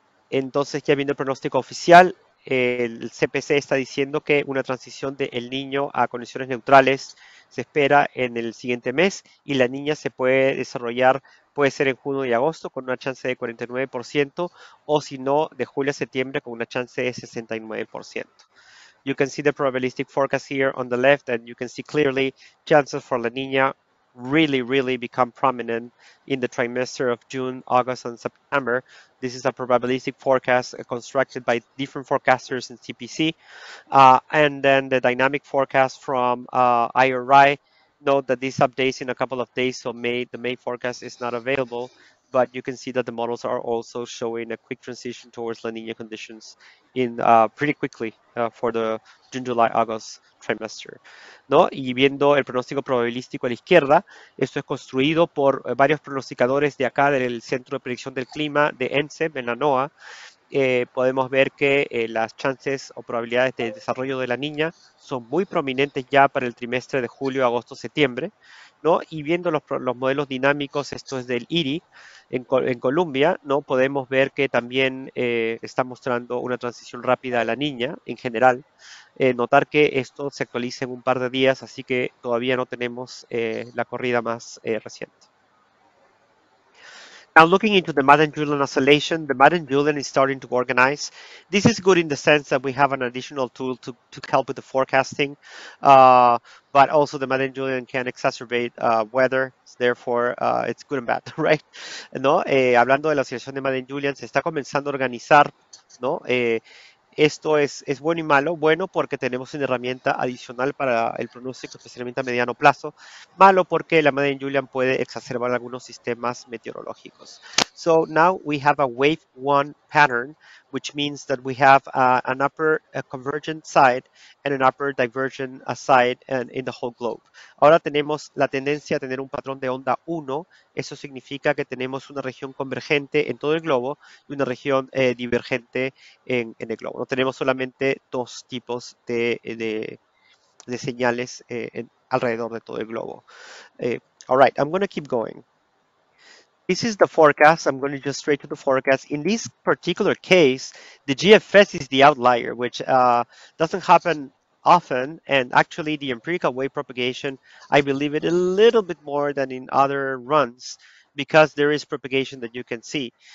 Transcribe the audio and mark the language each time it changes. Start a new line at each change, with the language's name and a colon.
Spanish: Entonces, ya viendo el pronóstico oficial, el CPC está diciendo que una transición de El Niño a condiciones neutrales se espera en el siguiente mes, y La Niña se puede desarrollar, puede ser en junio y agosto con una chance de 49%, o si no, de julio a septiembre con una chance de 69%.
English: You can see the probabilistic forecast here on the left, and you can see clearly chances for La Niña really, really become prominent in the trimester of June, August, and September. This is a probabilistic forecast constructed by different forecasters in CPC. And then the dynamic forecast from IRI. Note that this updates in a couple of days, so May, the May forecast is not available. but you can see that the models are also showing a quick transition towards La Niña conditions in pretty quickly for the June, July, August trimester.
Spanish: ¿No? Y viendo el pronóstico probabilístico a la izquierda, esto es construido por varios pronosticadores de acá, del Centro de Predicción del Clima de ENSEM en la NOAA. Podemos ver que las chances o probabilidades de desarrollo de la niña son muy prominentes ya para el trimestre de julio, agosto, septiembre, ¿no? Y viendo los modelos dinámicos, esto es del IRI en Colombia, ¿no? Podemos ver que también está mostrando una transición rápida a la niña en general. Notar que esto se actualiza en un par de días, así que todavía no tenemos la corrida más reciente.
English: Now looking into the Madden-Julian oscillation, the Madden-Julian is starting to organize. This is good in the sense that we have an additional tool to help with the forecasting, but also the Madden-Julian can exacerbate weather, therefore it's good and bad, right?
Spanish: ¿No? Hablando de la oscilación de Madden-Julian, se está comenzando a organizar, ¿no? Esto es bueno y malo. Bueno, porque tenemos una herramienta adicional para el pronóstico, especialmente a mediano plazo. Malo, porque la Madden-Julian puede exacerbar algunos sistemas meteorológicos.
English: So now we have a wave one pattern, which means that we have an upper convergent side and an upper divergent side and in the whole globe.
Spanish: Ahora tenemos la tendencia a tener un patrón de onda 1. Eso significa que tenemos una región convergente en todo el globo y una región divergente en el globo. No tenemos solamente dos tipos de señales alrededor de todo el globo.
English: All right, I'm going to keep going. This is the forecast. I'm going to just straight to the forecast. In this particular case, the GFS is the outlier, which doesn't happen often. And actually, the empirical wave propagation, I believe it a little bit more than in other runs, because there is propagation that you can see.